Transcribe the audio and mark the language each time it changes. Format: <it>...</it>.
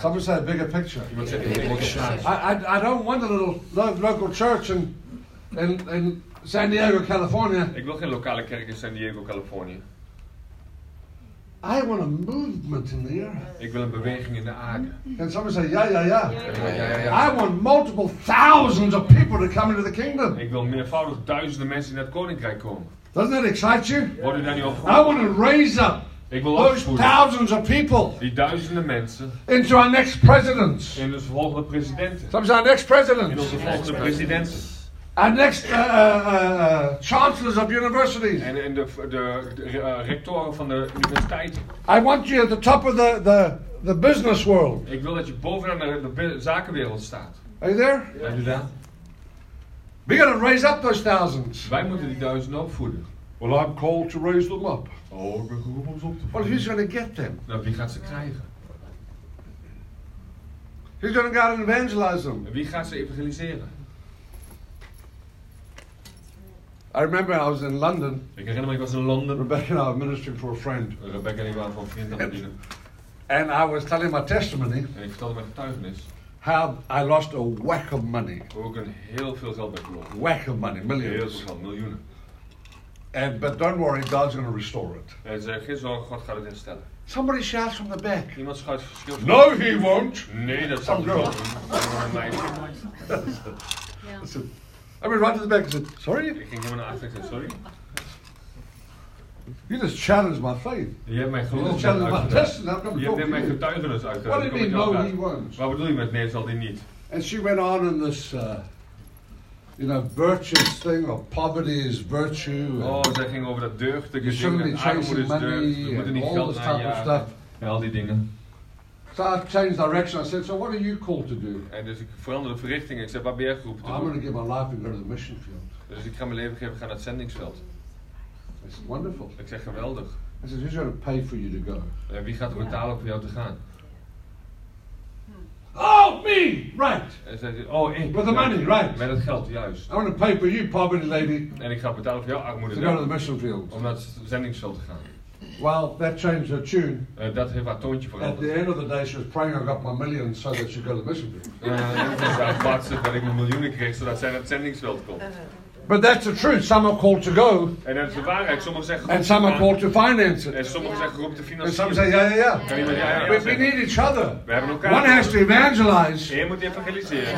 <en>Someone said a bigger picture.</en> <nl>Iemand zegt een groter plaatje.</nl> <en>I don't want a little local church in San Diego, California.</en> <nl>Ik wil geen lokale kerk in San Diego, California.</nl> <en>I want a movement in the earth.</en> <nl>Ik wil een beweging in de aarde.</nl> <en>Can someone say ja, ja, ja? I want multiple thousands of people to come into the kingdom.</en> <nl>Ik wil meervoudig duizenden mensen in het koninkrijk komen.</nl> <en>Doesn't that excite you?</en> <nl>Word u daar niet opgewonden?</nl> <en>I want to raise up.</en> <nl>Ik wil</nl> <en>those thousands of people.</en> <nl>Die duizenden mensen.</nl> <en>Into our next president.</en> <nl>In onze volgende president.</nl> <en>Someone say our next president.</en> <nl>In onze volgende president.</nl> <en>Our next chancellors of universities.</en> <nl>En de rectoren van de universiteiten.</nl> <en>I want you at the top of the business world.</en> <nl>Ik wil dat je bovenaan de zakenwereld staat.</nl> <en>Are you there?</en> <nl>Ben je daar?</nl> <en>We gotta raise up those thousands.</en> <nl>Wij moeten die duizenden opvoeden.</nl> <en>Well, I'm called to raise them up.</en> <nl>Oh, ik ben geroepen om ze op te voeden.</nl> <en>Well, who's gonna get them?</en> <nl>Nou, wie gaat ze krijgen?</nl> <en>Who's gonna go and evangelize them?</en> <nl>Wie gaat ze evangeliseren?</nl> <en>I remember I was in London.</en> <nl>Ik herinner me, ik was in London.</nl> <en>Rebecca and I were ministering for a friend.</en> <nl>Rebecca en ik waren voor een vriend.</nl> <en>And I was telling my testimony.</en> <nl>En ik vertelde mijn getuigenis.</nl> <en>How I lost a whack of money.</en> <nl>Hoe ik een heel veel geld ben verloren.</nl> <en>Whack of money, millions.</en> <nl>Heel veel geld, miljoenen.</nl> <en>And but don't worry, God's going to restore it.</en> <nl>En zei, geen zorgen, God gaat het herstellen.</nl> <en>Somebody shouts from the back.</en> <nl>Iemand schuift verschil.</nl> <en>No, he won't.</en> <nl>Nee, dat zal niet.</nl> <en>Some girl.</en> <nl>Dat is een.</nl> <en>I went right to the back and said, sorry?</en> <nl>Ik ging helemaal naar achter en zei, sorry?</nl> <en>You just challenged my faith.</en> <nl>Je hebt mijn geloof uitgedaagd. Je hebt mijn getuigenis uitgedaagd. Je hebt mijn getuigenis uitgedaagd.</nl> <en>What do you mean, no, he won't?</en> <nl>Wat bedoel je met nee, zal die niet?</nl> <en>And she went on in this, virtuous thing, or poverty is virtue.</en> <nl>Oh, zij ging over dat deugdige ding.</nl> <en>You shouldn't be chasing money, all this type of stuff.</en> <nl>En al die dingen.</nl> <en>So I changed direction. I said, so what are you called to do?</en> <nl>En dus ik veranderde verrichting. Ik zei, wat ben jij geroepen te doen?</nl> <en>I'm going to give my life and go to the mission field.</en> <nl>Dus ik ga mijn leven geven, ga naar het zendingsveld.</nl> <en>I said, wonderful.</en> <nl>Ik zeg, geweldig.</nl> <en>I said, who's going to pay for you to go?</en> <nl>Wie gaat er betalen om voor jou te gaan?</nl> <en>Oh, me! money! Right.</en> <nl>En zei ze, oh, ik.</nl> <en>With the money, right.</en> <nl>Met het geld, juist.</nl> <en>I'm going to pay for you, poverty lady.</en> <nl>En ik ga betalen voor jou, armoede.</nl> <en>To go to the mission field.</en> <nl>Om naar het zendingsveld te gaan.</nl> <en>Well, that changed her tune.</en> <nl>Dat heeft haar toontje veranderd.</nl> <en>At the end of the day, she was praying I got my million so that she'd go to the mission field.</en> <nl>En ze bad ze dat ik mijn miljoenen kreeg zodat zij naar het zendingsveld komt.</nl> <en>But that's the truth. Some are called to go.</en> <nl>En dat is de waarheid. Sommigen zeggen.</nl> <en>And some are called to finance it.</en> <nl>En sommigen zeggen roep te financieren.</nl> <en>And some say ja, ja, ja. We need each other.</en> <nl>We hebben elkaar.</nl> <en>One has to evangelize.</en> <nl>Eén moet evangeliseren.</nl>